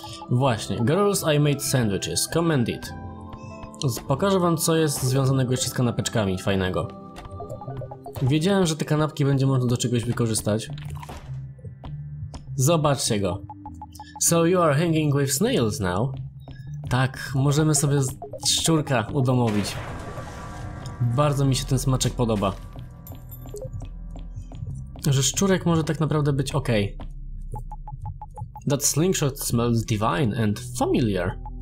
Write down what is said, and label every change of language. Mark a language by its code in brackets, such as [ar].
[pl] Właśnie, [en] girls, I made sandwiches, come and eat. [pl] Pokażę wam, co jest związanego jeszcze z kanapeczkami fajnego. Wiedziałem, że te kanapki będzie można do czegoś wykorzystać. Zobaczcie go. [en] So you are hanging with snails now? [pl] Tak, możemy sobie szczurka udomowić. Bardzo mi się ten smaczek podoba. Że szczurek może tak naprawdę być ok. [en] That slingshot smells divine and familiar.